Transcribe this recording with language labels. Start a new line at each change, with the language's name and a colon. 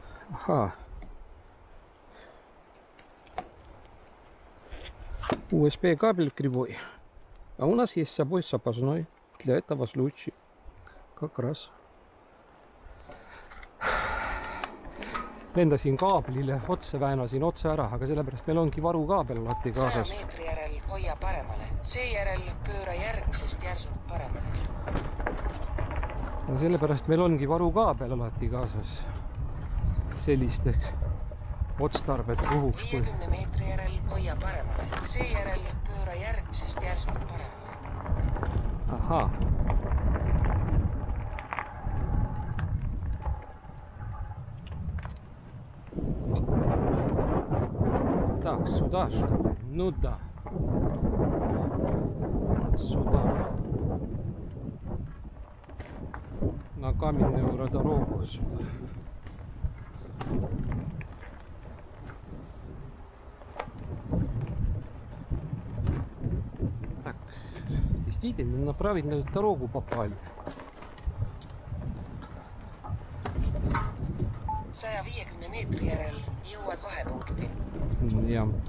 Russian: Ага. USB кабель кривой. А у нас есть с собой запасной для этого случая. Как раз.
Estonian: Lendasin kaablile, otse väänasin otse ära, aga sellepärast meil ongi varu kaabel lati kaasas. 100 meetri järel hoia paremale, see järel pööra järgmisest järsult paremale. Ja sellepärast meil ongi varu kaabel lati kaasas sellisteks otstarved puhuks. 50 meetri järel hoia paremale, see järel pööra järgmisest järsult paremale. Aha.
Russian: Так, сюда что ли? Ну да. Сюда. На каменную дорогу сюда. Так, действительно, на правильную дорогу попали.
Estonian: 150 метр järel jõuad vahepunkti. Ja.